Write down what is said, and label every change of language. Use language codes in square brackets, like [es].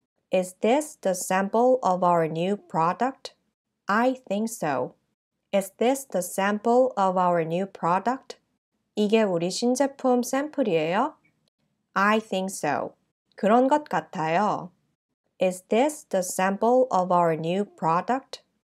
[en] Is this the sample of our new product? I think so. Is this the sample of our new product? [ko] 이게 우리 신제품 샘플이에요? [en] I think so. [ko] 그런 것 같아요. [en] Is this the sample of our new product?